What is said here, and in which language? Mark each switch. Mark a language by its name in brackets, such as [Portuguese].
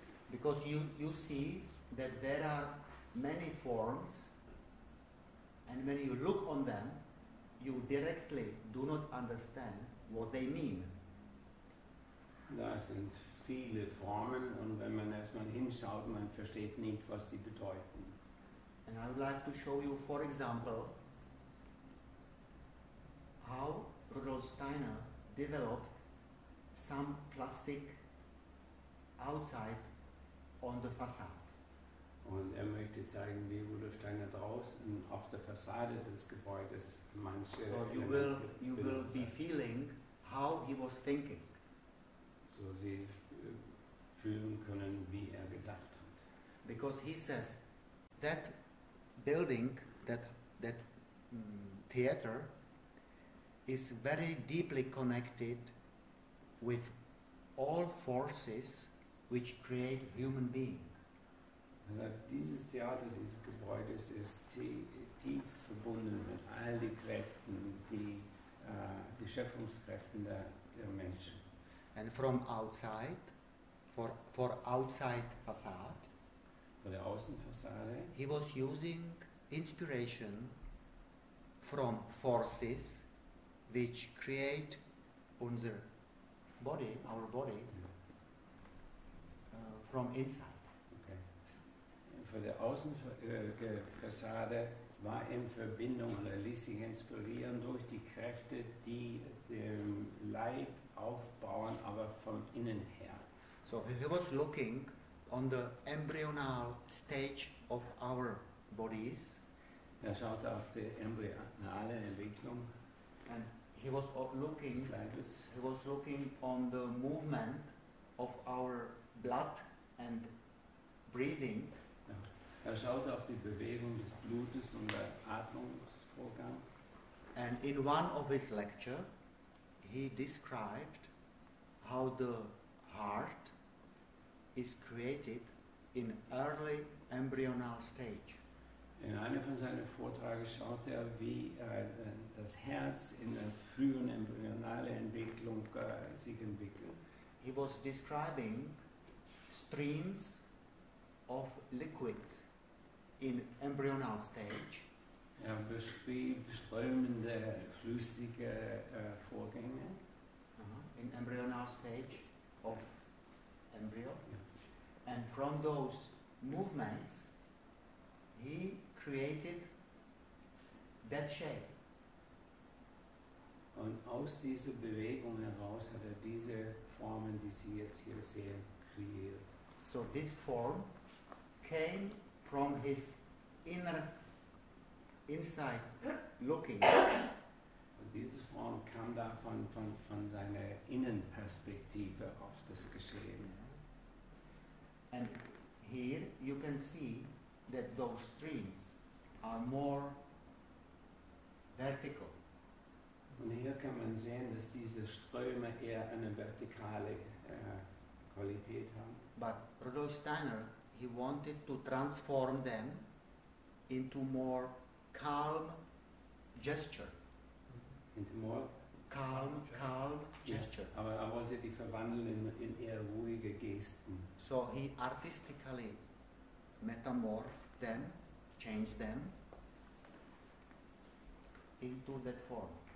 [English] Because you see that there are many forms, and when you look on them, you directly do not understand what they mean. [German] Da sind viele Formen, und wenn man erstmal hinschaut, man versteht nicht, was sie bedeuten. [English] And I would like to show you, for example, how Rudolf Steiner developed some plastic outside on the facade. [German] Und möchte zeigen, wie Rudolf Steiner draußen auf der Fassade des Gebäudes manche. [English] So you will be feeling how he was thinking. [German] So Sie fühlen können, wie gedacht hat. [English] Because he says that building, that theater, is very deeply connected with all forces which create human being. [German] Dieses Theater, dieses Gebäude ist tief verbunden mit all den Kräften, die Schöpfungskräften der Menschen. [English] And from outside, for outside facade, [German] von der Außenfassade, [English] he was using inspiration from forces which create [German] unser [English] body, our body, from inside. Okay. [German] Für die Außenfassade war in Verbindung oder ließ sich inspirieren durch die Kräfte, die den Leib aufbauen, aber von innen her. [English] So he was looking on the embryonal stage of our bodies. [German] Er schaute auf die embryonale Entwicklung. [English] And he was looking. He was looking on the movement of our blood and breathing. Ja. [German] Er schaute auf die Bewegung des Blutes und der Atmungsvorgang. [English] And in one of his lecture, he described how the heart is created in early embryonal stage. [German] In einem von seinen Vorträgen schaut er, wie das Herz in der frühen embryonalen Entwicklung sich entwickelt. [English] He was describing streams of liquids in embryonal stage. [German] Er beschrieb strömende flüssige Vorgänge. [English] In embryonal stage of embryo. Yeah. And from those movements, he created that shape. [German] Und aus dieser Bewegung heraus hat diese Formen, die Sie jetzt hier sehen, kreiert. [English] So this form came from his inner, inside looking. [German] Und diese Form kam davon, von seiner Innenperspektive auf das Geschehen. [English] And here you can see that those streams are more vertical. [German] Und hier kann man sehen, dass diese Ströme eher eine vertikale Qualität haben. [English] But Rudolf Steiner, he wanted to transform them into more calm gesture. Into more calm gesture. [German] Yeah, aber er wollte die verwandeln in eher ruhige Gesten. [English] So he artistically metamorphed them, changed them into that form.